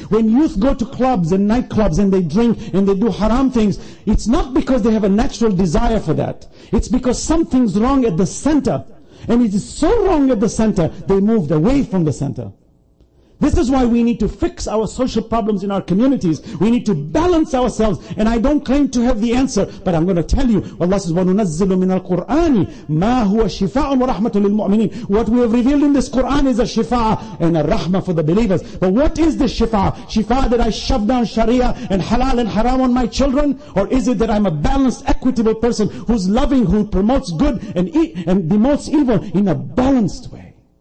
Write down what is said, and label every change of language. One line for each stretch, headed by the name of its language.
English: When youth go to clubs and nightclubs and they drink and they do haram things, it's not because they have a natural desire for that. It's because something's wrong at the center. And it is so wrong at the center, they moved away from the center. This is why we need to fix our social problems in our communities. We need to balance ourselves. And I don't claim to have the answer, but I'm going to tell you. Allah says,
Arabic: وَنُنَزِّلُ مِنَ الْقُرْآنِ مَا هُوَ شِفَاءٌ وَرَحْمَةٌ لِلْمُؤْمِنِينَ.
English: What we have revealed in this Quran is a shifa and a rahmah for the believers. But what is this shifa? Shifa that I shove down sharia and halal and haram on my children? Or is it that I'm a balanced, equitable person who's loving, who promotes good and demotes evil in a balanced way?